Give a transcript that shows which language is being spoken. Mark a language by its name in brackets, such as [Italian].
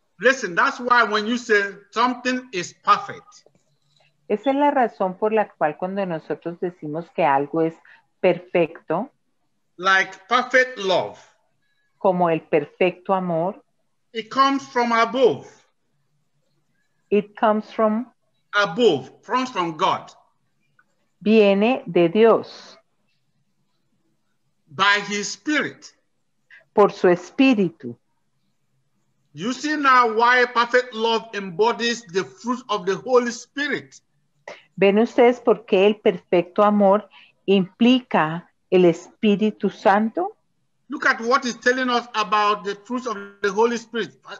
[English] Listen, that's why when you say something is perfect. [Spanish] Esa es la razón por la cual cuando nosotros decimos que algo es perfecto. [English] Like perfect love. [Spanish] Como el perfecto amor. [English] It comes from above. It comes from? Above, from God. [Spanish] Viene de Dios. [English] By his spirit. [Spanish] Por su espíritu. [English] You see now why perfect love embodies the fruit of the Holy Spirit. [Spanish] ¿Ven ustedes por qué el perfecto amor implica el Espíritu Santo? [English] Look at what it's telling us about the fruit of the Holy Spirit.